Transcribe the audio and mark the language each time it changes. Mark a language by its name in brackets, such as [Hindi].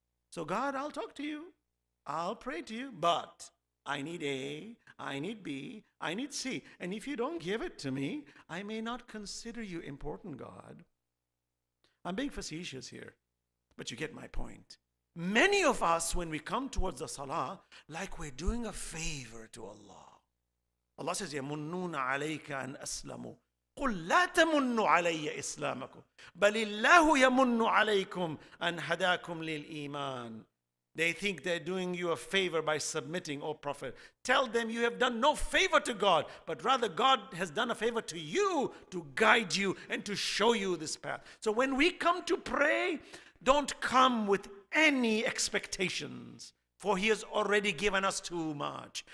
[English] So God, I'll talk to you. I'll pray to you, but I need A, I need B, I need C. And if you don't give it to me, I may not consider you important, God. I'm being facetious here, but you get my point. Many of us, when we come towards the salah, like we're doing a favor to Allah. Allah says, [Arabic] يَمُنُّونَ عَلَيْكَ أَنْ أَسْلَمُوا قُلْ لَا تَمُنُّ عَلَيَّ إِسْلَامَكُمْ بَلِ اللَّهُ يَمُنُّ عَلَيْكُمْ أَنْ هَدَاكُمْ لِلْإِيمَانِ. [English] They think they're doing you a favor by submitting, O Prophet. Tell them you have done no favor to God, but rather God has done a favor to you to guide you and to show you this path. So when we come to pray, don't come with any expectations, for he has already given us too much.